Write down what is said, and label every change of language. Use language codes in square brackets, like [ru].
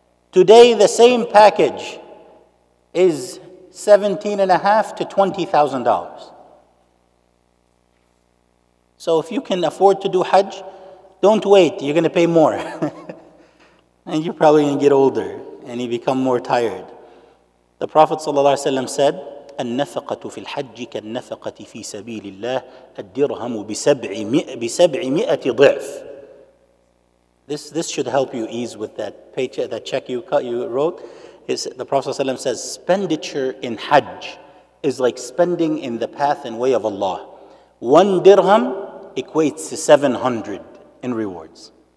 [en] Today, the same package is $17,500 to $20,000. So if you can afford to do Hajj, don't wait, you're going to pay more. And you're probably going to get older, and you become more tired. The Prophet ﷺ said, [ar] النفقة في الحج كالنفقة في سبيل الله الدرهم بسبعمائة ضعف. [en] This should help you ease with that paycheck, that check you wrote. It's, the Prophet ﷺ says, expenditure in Hajj is like spending in the path and way of Allah. One dirham equates to 700 in rewards.